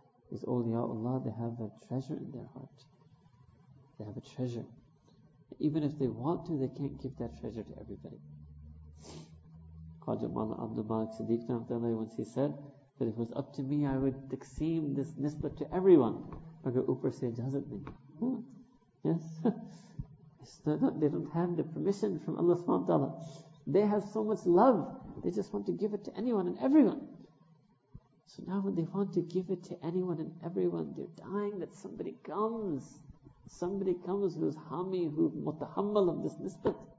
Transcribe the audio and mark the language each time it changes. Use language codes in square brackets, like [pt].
[en] These awliya Allah, they have a treasure in their heart. They have a treasure. Even if they want to, they can't give that treasure to everybody. Khaja Mawlana Abdul Malik Siddiq Ramtala once he said that if it was up to me, I would taksim this nisbah to everyone. [ur] مگر اوپر سے اجازت نہیں۔ [en] Yes? They don't have the permission from Allah subhanahu wa ta'ala. They have so much love, they just want to give it to anyone and everyone. So now when they want to give it to anyone and everyone, they're dying that somebody comes. Somebody comes who's hami, who's mutahammal of this nisbah.